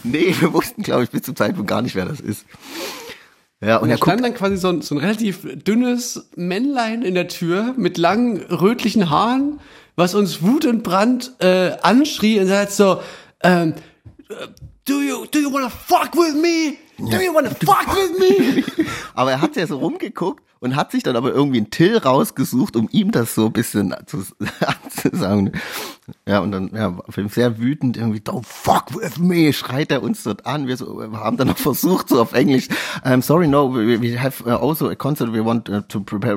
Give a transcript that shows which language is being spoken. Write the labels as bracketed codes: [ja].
[de] Nee, wir wussten, glaube ich, bis zum Zeitpunkt gar nicht, wer das ist. Ja, und er stand dann quasi so ein relativ dünnes Männlein in der Tür mit langen rötlichen Haaren, was uns Wut und Brand anschrie und sagt so, [en] do you wanna fuck with me? Do you wanna fuck with me? [de] Aber er hat ja so rumgeguckt und hat sich dann aber irgendwie einen Till rausgesucht, um ihm das so ein bisschen zu sagen. Ja, und dann, ja, sehr wütend irgendwie, [en] don't fuck with me, [de] schreit er uns dort an. Wir haben dann noch versucht, so auf Englisch, [en] sorry, no, we have also a concert, we want to prepare.